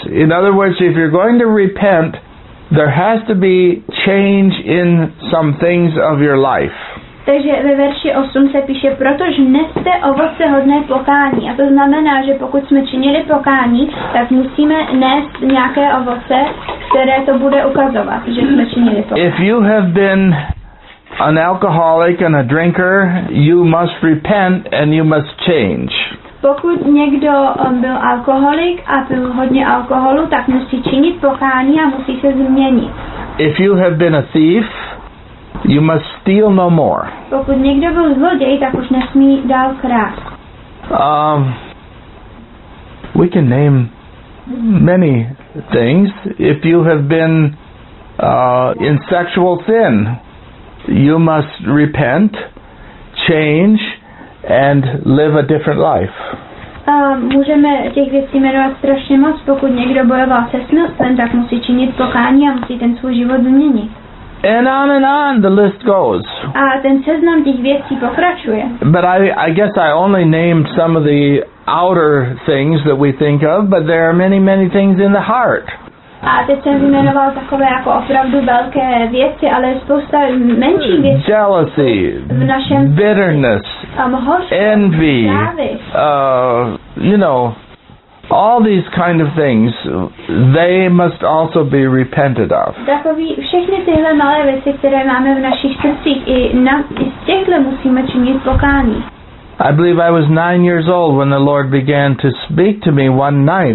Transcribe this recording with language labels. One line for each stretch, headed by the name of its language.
English: In other words, if you're going to repent, there has to be change in some things of your life.
Czech: Takže ve verši 8 se píše, protože neste ovoce hodné pokání. A to znamená, že pokud jsme činili pokání, tak musíme nést nějaké ovoce, které to bude ukazovat, že jsme činili pokání.
English: If you have been an alcoholic and a drinker, you must repent and you must change.
Czech: Pokud někdo byl alkoholik a pil hodně alkoholu, tak musí činit pokání a musí se změnit.
English: If you have been a thief, you must steal no more.
Czech: Pokud někdo byl zloděj, tak už nesmí dál krást.
English: We can name many things. If you have been in sexual sin, you must repent, change, and live a different life.
Czech: Můžeme těch věcí jmenovat strašně moc. Pokud někdo bojoval se smyslem, tak musí činit pokání a musí ten svůj život změnit.
English: And on the list goes.
Czech: A ten seznam těch věcí pokračuje.
English: But I guess I only named some of the outer things that we think of, but there are many, many things in the heart.
Czech: A teď jsem vyjmenoval takové jako opravdu velké věci, ale spousta menších věcí.
English: Jealousy,
Czech: v našem
English: bitterness,
Czech: hořkost,
English: envy,
Czech: závist.
English: All these kind of things, they must also be repented of.
Czech: Takový všechny tyhle malé věci, které máme v našich srdcích, i z těchto musíme činit pokání.
English: I believe I was 9 years old when the Lord began to speak to me one night.